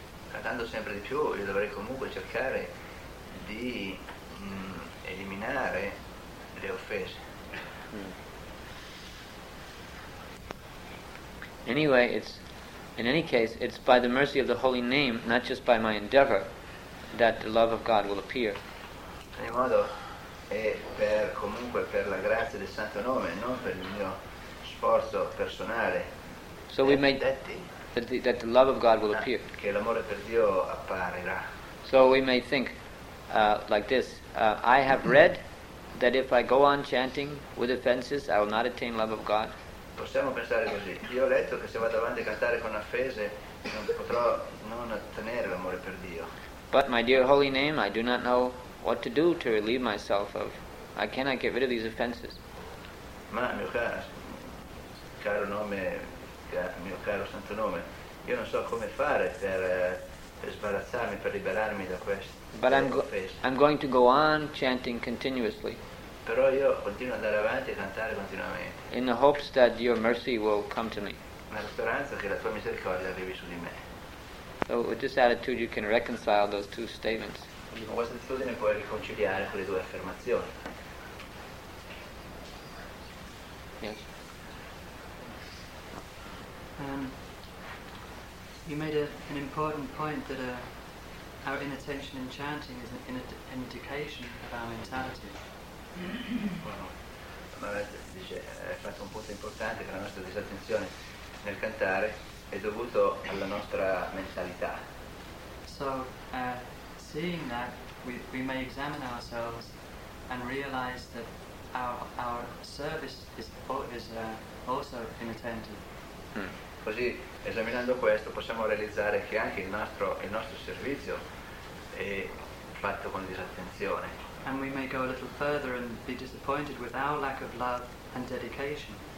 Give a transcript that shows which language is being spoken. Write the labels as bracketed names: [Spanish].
[Italian] Cantando sempre di più, io dovrei comunque cercare di eliminare le offese. [English] Anyway, it's in any case, it's by the mercy of the holy name, not just by my endeavor, that the love of God will appear. [Italian] In ogni modo, è per comunque per la grazia del santo nome, non per il mio sforzo personale. [English] So we may that the love of God will appear. [Italian] Che l'amore per Dio apparirà. [English] So we may think like this: I have read that if I go on chanting with offenses, I will not attain love of God. [Italian] Possiamo pensare così: io ho letto che se vado avanti a cantare con offese, non potrò non ottenere l'amore per Dio. [English] But my dear holy name, I do not know what to do to relieve myself of. I cannot get rid of these offenses. [Italian] Ma mio caro nome, mio caro santo nome, io non so come fare per sbarazzarmi, per liberarmi da queste offese. [English] But I'm going to go on chanting continuously. [Italian] Però io continuo ad andare avanti e cantare continuamente. [English] In the hopes that your mercy will come to me. [Italian] Nella speranza che la tua misericordia arrivi su di me. [English] So with this attitude you can reconcile those two statements. [Italian] Con questa attitudine puoi riconciliare quelle due affermazioni. [English] Yes. You made an important point that our inattention in chanting is an indication of our mentality. [Italian] Hai fatto un punto importante che la nostra disattenzione nel cantare è dovuto alla nostra mentalità. [English] So, seeing that, we may examine ourselves and realize that our service is also inattentive. [Italian] Così, esaminando questo, possiamo realizzare che anche il nostro servizio è fatto con disattenzione. [English] And we may go a little further and be disappointed with our lack of love and dedication.